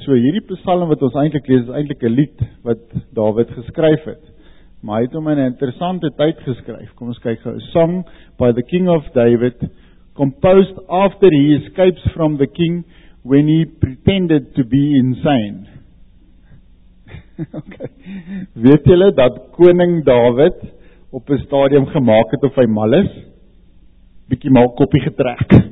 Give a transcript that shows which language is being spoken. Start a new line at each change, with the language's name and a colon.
Afrikaans: So hierdie psalm wat ons eintlik lees, is eintlik 'n lied wat David geskryf het. Maar hy het hom in 'n interessante tyd geskryf. Kom ons kyk gou.
English: A song by the King of David, composed after he escapes from the king when he pretended to be insane. Okay.
Afrikaans: Weet julle dat koning David op 'n stadium gemaak het of hy mal is? Bietjie mal koppie getrek.